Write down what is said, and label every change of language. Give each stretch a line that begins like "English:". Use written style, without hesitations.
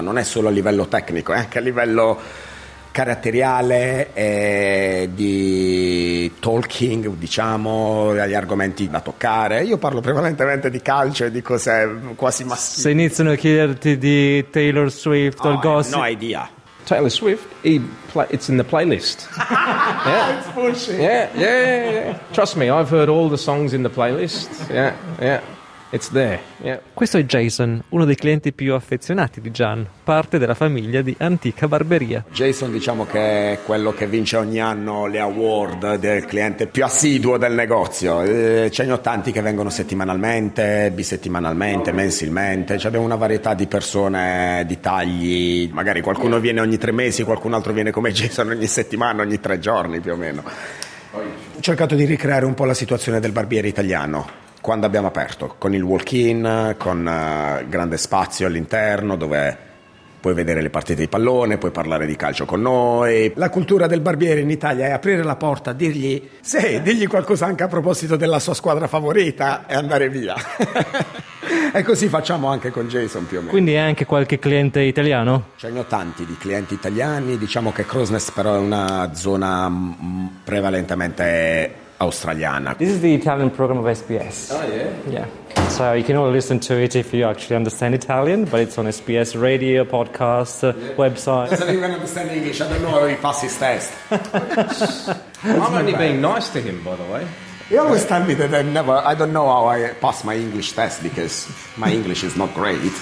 Italian: Non è solo a livello tecnico, è anche a livello caratteriale, di talking, diciamo, gli argomenti da toccare. Io parlo prevalentemente di calcio e di cose quasi maschili. Se iniziano a chiederti di Taylor Swift o il gossip...
English: No idea. Taylor Swift, it's in the playlist. Yeah. It's pushing. Yeah. Trust me, I've heard all the songs in the playlist. Yeah. It's there. Yeah.
Italian: Questo è Jason, uno dei clienti più affezionati di Gian, parte della famiglia di Antica Barberia. Jason, diciamo che è quello che vince ogni anno le award del cliente più assiduo del negozio. Ce ne ho tanti che vengono settimanalmente, bisettimanalmente, mensilmente. C'abbiamo una varietà di persone, di tagli. Magari qualcuno viene ogni 3 mesi, qualcun altro viene come Jason ogni settimana, ogni 3 giorni più o meno. Ho cercato di ricreare un po' la situazione del barbiere italiano quando abbiamo aperto, con il walk-in, con grande spazio all'interno dove puoi vedere le partite di pallone, puoi parlare di calcio con noi. La cultura del barbiere in Italia è aprire la porta, dirgli sì, digli qualcosa anche a proposito della sua squadra favorita e andare via. E così facciamo anche con Jason più o meno. Quindi è anche qualche cliente italiano? Ce ne ho tanti di clienti italiani, diciamo che Crosnes però è una zona prevalentemente australiana.
English: This is the Italian program of SBS. Oh yeah. Yeah. So you can all listen to it if you actually understand Italian, but it's on SBS radio, podcast, website. Doesn't even understand English. I don't know how he passes test. I'm only being nice to him, by the way. He always tell me that I don't know how I pass my English test because my English is not great.